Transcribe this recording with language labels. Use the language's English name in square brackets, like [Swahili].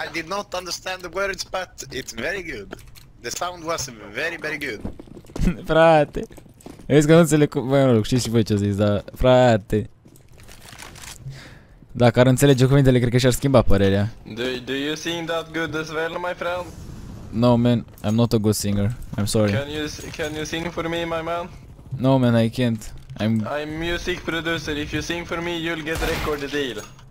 [English] I did not understand the words, but it's very good. The sound was very, very good. [Romanian] Frate. Vezi că nu înțeleg cum... Băi, mă rog, știi și voi ce zici, dar... Frate. Dacă ar înțelege cuvintele, cred că și-ar schimba părerea. [English] Do you sing that good as well, my friend? No, man, I'm not a good singer. I'm sorry. Can you sing for me, my man? No, man, I can't. I'm music producer. If you sing for me, you'll get record deal.